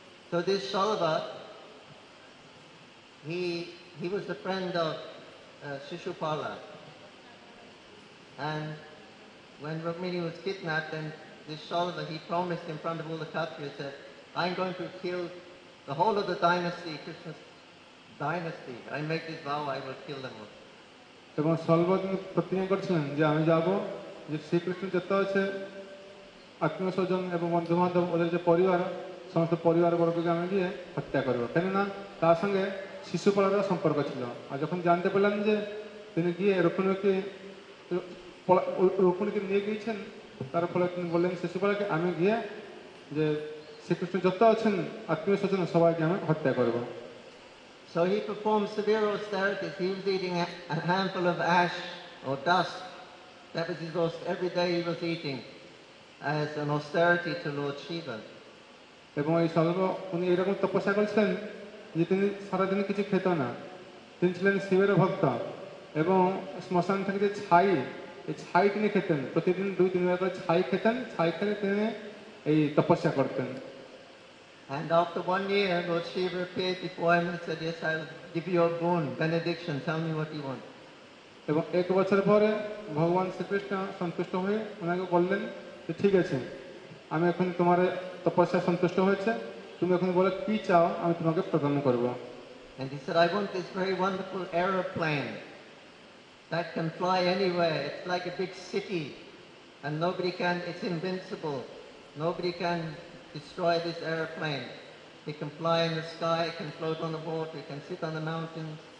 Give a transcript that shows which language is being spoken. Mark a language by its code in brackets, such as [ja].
[en] So this Shalva, he was the friend of Shishupala. And when Rukmini was kidnapped, then this Shalva, he promised in front of all the Kshatriyas that I'm going to kill the whole of the dynasty, Krishna's dynasty. I make this vow, I will kill them all. [bn] এবং শলভ তিনি প্রতিজ্ঞা করছিলেন যে আমি যাব যে শ্রীকৃষ্ণ যত আছে আত্মীয় স্বজন এবং বন্ধু বান্ধব ওদের যে পরিবার সমস্ত পরিবারবর্গকে আমি গিয়ে হত্যা করবো কেননা তার সঙ্গে শিশুপালার সম্পর্ক ছিল আর যখন জানতে পারলাম যে তিনি গিয়ে রুক্মিণীকে নিয়ে গিয়েছেন তার ফলে তিনি বললেন শিশুপালাকে আমি গিয়ে যে শ্রীকৃষ্ণ যত আছেন আত্মীয় স্বজন সবাইকে আমি হত্যা করবো [en] So he performed severe austerities. He was eating a handful of ash or dust. That was his austerity. Every day he was eating as an austerity to Lord Shiva. [bn] এবং এই সর্ব উনি এরকম তপস্যা করছিলেন যে তিনি সারাদিন কিছু খেত না তিনি ছিলেন শিবের ভক্ত এবং শ্মশান থেকে যে ছাই এই ছাই তিনি খেতেন প্রতিদিন দুই তিন বার করে ছাই খেতেন ছাই খেলে তিনি এই তপস্যা করতেন [en] And after 1 year, Lord Shiva appeared before him and said, Yes, I'll give you a boon, benediction, tell me what you want. [bn] এবং এক বছর পরে ভগবান শ্রীকৃষ্ণ সন্তুষ্ট হয়ে ওনাকে বললেন যে ঠিক আছে আমি এখন তোমার তপস্যা সন্তুষ্ট হয়েছে তুমি এখন বলে কি চাও আমি তোমাকে প্রদান করব [en] And he said, I want this very wonderful aeroplane. that can fly anywhere. It's like a big city, and nobody can, it's invincible. Nobody can destroy this airplane. It can fly in the sky, it can float on the water, it can sit on the mountains.